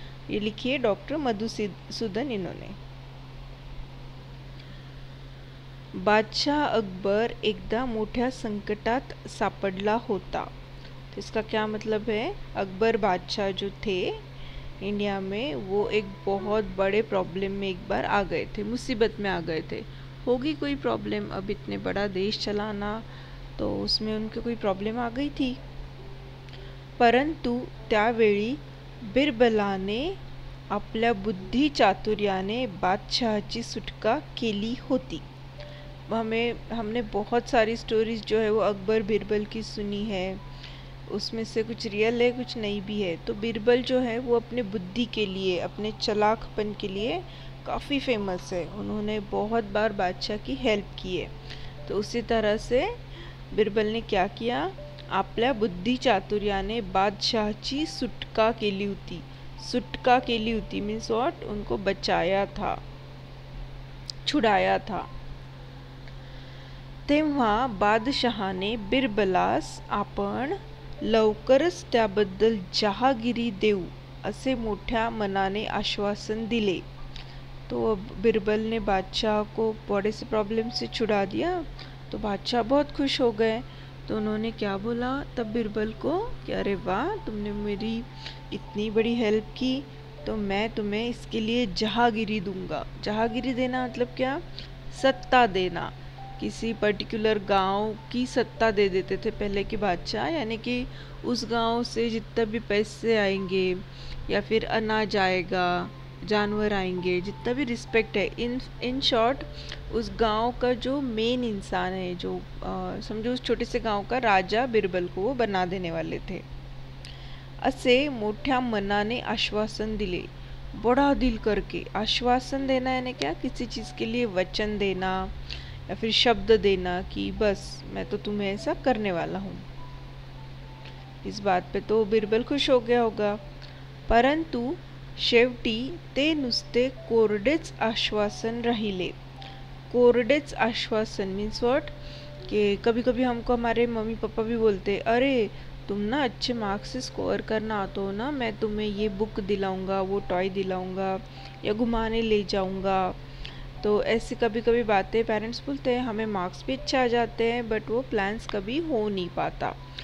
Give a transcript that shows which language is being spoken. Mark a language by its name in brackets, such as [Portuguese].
[Hindi] ये लिखी है डॉक्टर मधुसूदन इन्होंने। [Marathi] बादशाह अकबर एकदा मोठ्या संकटात सापडला होता। [Hindi] तो इसका क्या मतलब है, अकबर बादशाह जो थे इंडिया में, वो एक बहुत बड़े प्रॉब्लम में एक बार आ गए थे, मुसीबत में आ गए थे। होगी कोई प्रॉब्लम, अब इतने बड़ा देश चलाना, तो उसमें उनके कोई प्रॉब्लम आ गई थी। [Marathi] परंतु त्यावेळी बिरबलाने आपल्या बुद्धी चातुर्याने बादशाहची सुटका केली होती। [Hindi] हमने बहुत सारी स्टोरीज जो है वो अकबर बिरबल की सुनी है, उसमें से कुछ रियल है कुछ नहीं भी है। तो बिरबल जो है वो अपने बुद्धि के लिए, अपने चलाकपन के लिए काफ़ी फेमस है। उन्होंने बहुत बार बादशाह की हेल्प की है। तो उसी तरह से बिरबल ने क्या किया, [Marathi] आपल्या बुद्धि चातुर्याने बादशाहची सुटका केली होती। सुटका केली होती [English] means what, [Hindi] उनको बचाया था, छुड़ाया था। [Marathi] तेव्हा बादशाहाने बिरबलास आपण लवकरच त्याबद्दल जहागिरी देऊ असे मोठ्या मनाने आश्वासन दिले। [Hindi] तो बिरबल ने बादशाह को बड़े से प्रॉब्लम से छुड़ा दिया, तो बादशाह बहुत खुश हो गए। तो उन्होंने क्या बोला तब बिरबल को कि अरे वाह, तुमने मेरी इतनी बड़ी हेल्प की, तो मैं तुम्हें इसके लिए जहागिरी दूंगा। जहागिरी देना मतलब क्या, सत्ता देना। किसी पर्टिकुलर गांव की सत्ता दे देते थे पहले के बादशाह, यानी कि उस गांव से जितना भी पैसे आएंगे या फिर अनाज आएगा, जानवर आएंगे, जितना भी रिस्पेक्ट है, [English] in short [Hindi] उस गांव का जो मेन इंसान है, जो समझो उस छोटे से गांव का राजा बिरबल को वो बना देने वाले थे। [Marathi] असे मोठ्या मनाने आश्वासन दिले, [Hindi] बड़ा दिल करके आश्वासन देना, यानी क्या, किसी चीज़ के लिए वचन देना या फिर शब्द देना कि बस मैं तो तुम्हें ऐसा करने वाला हूँ। इस बात पे तो बिरबल खुश हो गया होगा। [Marathi] परंतु शेवटी ते नुसते कोरडेच आश्वासन राहिले। कोरडेच आश्वासन [English] means what, [Hindi] कि कभी कभी हमको हमारे मम्मी पापा भी बोलते, अरे तुम ना अच्छे मार्क्स स्कोर करना आते हो ना, मैं तुम्हें ये बुक दिलाऊंगा, वो टॉय दिलाऊंगा, या घुमाने ले जाऊंगा। तो ऐसी कभी कभी बातें पेरेंट्स बोलते हैं, हमें मार्क्स भी अच्छे आ जाते हैं बट वो प्लान्स कभी हो नहीं पाता।